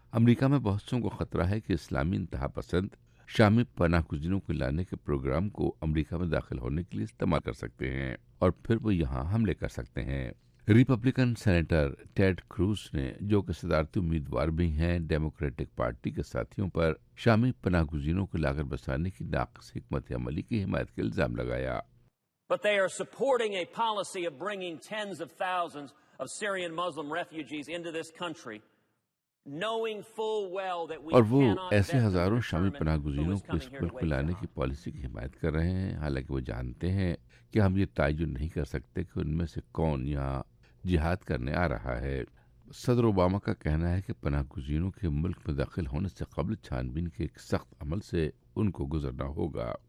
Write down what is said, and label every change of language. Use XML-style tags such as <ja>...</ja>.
<ur>امریکہ میں بہت سوں کو خطرہ ہے کہ اسلامی انتہا پسند شامی پناہ گزینوں کو لانے کے پروگرام کو امریکہ میں داخل ہونے کے لیے استعمال کر سکتے ہیں اور پھر وہ یہاں حملے کر سکتے ہیں. ریپبلکن سینیٹر ٹیڈ کروز نے، جو کہ صدارتی امیدوار بھی ہیں، ڈیموکریٹک پارٹی کے ساتھیوں پر شامی پناہ گزینوں کو لا کر بسانے کی ناقص حکمت عملی کی حمایت کا الزام لگایا.</ur> <en>But they are supporting a policy of bringing tens of thousands of Syrian Muslim refugees into this country, knowing full well that we</en> <ur>اور وہ ایسے ہزاروں شامی پناہ گزینوں کو اس ملک میں لانے کی پالیسی کی حمایت کر رہے ہیں، حالانکہ وہ جانتے ہیں کہ ہم یہ تعین نہیں کر سکتے کہ ان میں سے کون یہاں جہاد کرنے آ رہا ہے. صدر اوباما کا کہنا ہے کہ پناہ گزینوں کے ملک میں داخل ہونے سے قبل چھان بین کے ایک سخت عمل سے ان کو گزرنا ہوگا.</ur>